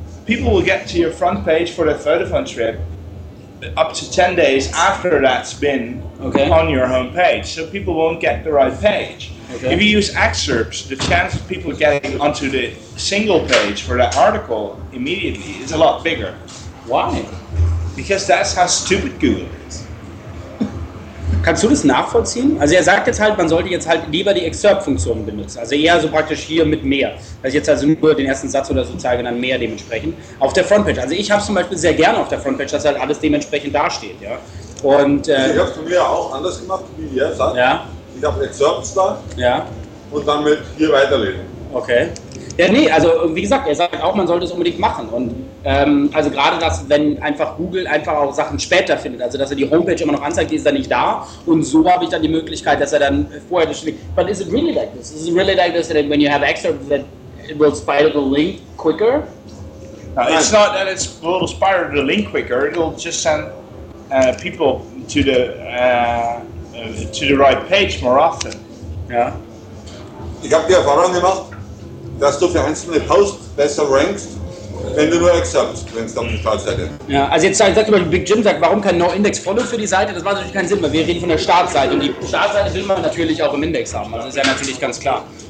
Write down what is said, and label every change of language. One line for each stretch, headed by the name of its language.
English: People will get to your front page for the Vodafone trip up to 10 days after that's been on your home page, so people won't get the right page. Okay. If you use excerpts, the chance of people getting onto the single page for that article immediately is a lot bigger. Why? Because that's how stupid Google is.
German: Kannst du das nachvollziehen? Also er sagt jetzt halt, man sollte jetzt halt lieber die Excerpt-Funktion benutzen. Also eher so praktisch hier mit mehr. Also jetzt also nur den ersten Satz oder so zeige, dann mehr dementsprechend. Auf der Frontpage. Also ich habe zum Beispiel sehr gerne auf der Frontpage, dass halt alles dementsprechend dasteht. Ja? Und, ich habe es von mir auch anders gemacht, wie ihr sagt. Ja? Ich habe Excerpts da und dann mit hier weiterlesen. Okay. Ja, nee, also wie gesagt, er sagt auch, man sollte es unbedingt machen. Und also gerade das, wenn einfach Google einfach auch Sachen später findet, also dass er die Homepage immer noch anzeigt, die ist dann nicht da. Und so habe ich dann die Möglichkeit, dass er dann vorher das schickt.
English: But is it really like this? Is it really like this that when you have excerpts that it will spider the link quicker? No, it's not that it will spider the link quicker. It will just send people to the right page more often.
German: Ja. Ich habe die Erfahrung gemacht, dass du für einzelne Posts besser rankst, Wenn du nur accept, wenn es doch die falsche Seite ist. Ja, also jetzt sagt zum Beispiel Big Jim, sagt, warum kein No-Index-Follow für die Seite? Das macht natürlich keinen Sinn, weil wir reden von der Startseite. Und die Startseite will man natürlich auch im Index haben. Also ist ja natürlich ganz klar.